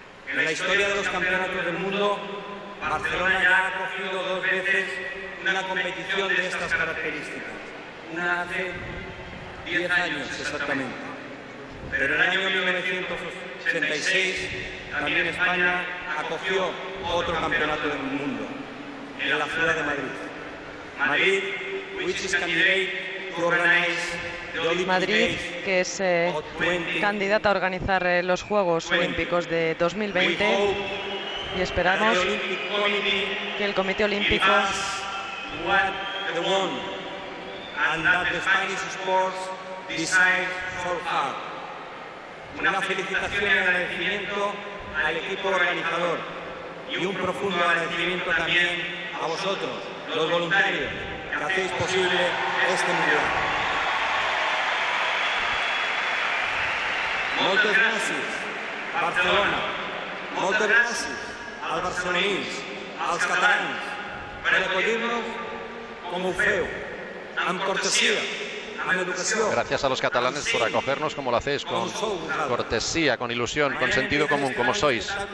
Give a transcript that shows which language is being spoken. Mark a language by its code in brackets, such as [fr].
[es] En la historia de los campeonatos del mundo, Barcelona ya ha acogido dos veces una competición de estas características. Una hace 10 años exactamente. Pero en el año 1986 también España acogió otro campeonato del mundo en la ciudad de Madrid. [en] Madrid, which is candidate to organize the Olympic [es] Madrid, que es candidata a organizar los Juegos Olímpicos de 2020. Y esperamos que el Comité Olímpico [en] and that the Spanish sports decide for her. [es] Una felicitación y agradecimiento al equipo organizador y un profundo agradecimiento también a vosotros, los voluntarios, que hacéis posible este mundial. Muchas gracias, Barcelona. [ca] Muchas gracias al barcelonís, als catalans, per acollir-nos com ho feu, amb cortesia, amb educació. [es] Gracias a los catalanes por acogernos como lo hacéis, con cortesía, con ilusión, con sentido común, como sois.